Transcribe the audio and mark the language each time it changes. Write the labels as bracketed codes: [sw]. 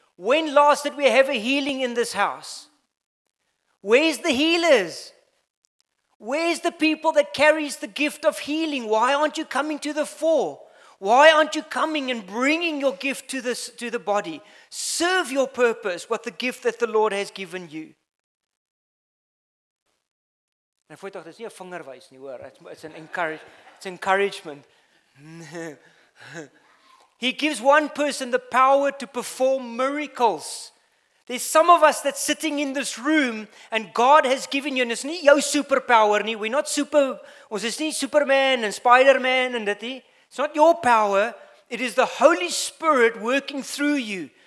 [en] When last did we have a healing in this house? Where's the healers? Where's the people that carries the gift of healing? Why aren't you coming to the fore? Why aren't you coming and bringing your gift to the body? Serve your purpose with the gift that the Lord has given you. [af] En voor tog, dis nie 'n vingerwys nie, hoor. [en] It's encouragement. He gives one person the power to perform miracles. There's some of us that's sitting in this room and God has given you, and it's not your superpower. We're not super, it's not Superman and Spider-Man and that. It's not your power. It is the Holy Spirit working through you.